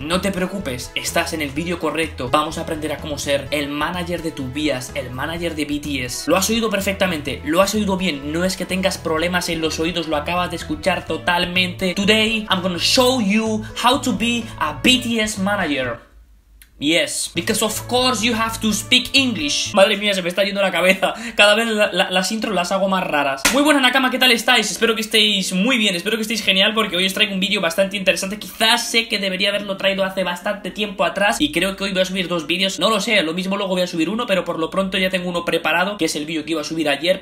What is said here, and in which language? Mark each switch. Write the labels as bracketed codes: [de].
[es] No te preocupes, estás en el vídeo correcto. Vamos a aprender a cómo ser el manager de Tobias, el manager de BTS. Lo has oído perfectamente, lo has oído bien. No es que tengas problemas en los oídos, lo acabas de escuchar totalmente. [en] Today, I'm gonna show you how to be a BTS manager. Yes, because of course you have to speak English. [es] Madre mía, se me está yendo la cabeza. Cada vez las intros las hago más raras. Muy buenas, Nakama, ¿qué tal estáis? Espero que estéis muy bien, espero que estéis genial, porque hoy os traigo un vídeo bastante interesante. Quizás sé que debería haberlo traído hace bastante tiempo atrás y creo que hoy voy a subir dos vídeos. No lo sé, lo mismo luego voy a subir uno, pero por lo pronto ya tengo uno preparado, que es el vídeo que iba a subir ayer.